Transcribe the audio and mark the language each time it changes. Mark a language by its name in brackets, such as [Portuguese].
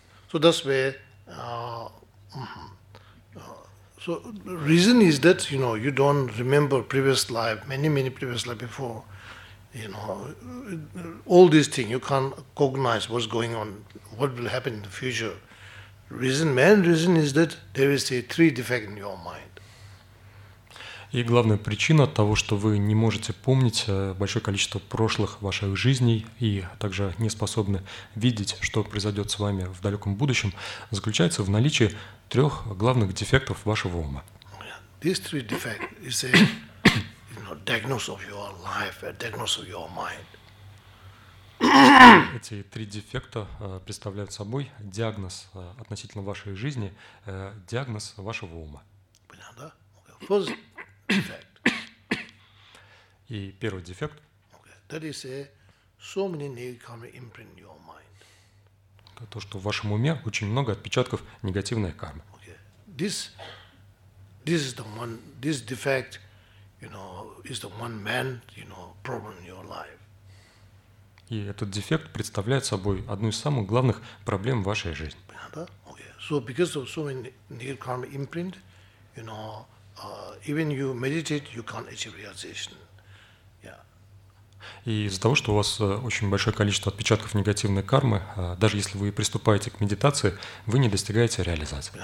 [English] So that's where, so reason is that, you know, you don't remember previous life, many, many previous life before, you know, all these things, you can't cognize what's going on, what will happen in the future. Reason, main reason is that there is a three defect in your mind. [Russian] И главная причина того, что вы не можете помнить большое количество прошлых ваших жизней и также не способны видеть, что произойдет с вами в далеком будущем, заключается в наличии трех главных дефектов вашего ума. [English] These three defects is a diagnosis of your life, a diagnosis of your mind. [Russian] Эти три дефекта представляют собой диагноз относительно вашей жизни, диагноз вашего ума. [English] Понятно? Okay. First defect. [Russian] И первый дефект. [English] Okay. That is a so many negative imprint in your mind. [Russian] Это то, что в вашем уме очень много отпечатков негативной кармы. [English] Okay. This is the one. This defect, you know, is the one man, you know, problem in your life. [Russian] И этот дефект представляет собой одну из самых главных проблем в вашей жизни. Понятно? Okay. [English] So because of so many negative karma imprint, you know, even you meditate, you can't achieve realization. Yeah. [Russian] И из-за того, что у вас очень большое количество отпечатков негативной кармы, даже если вы приступаете к медитации, вы не достигаете реализации.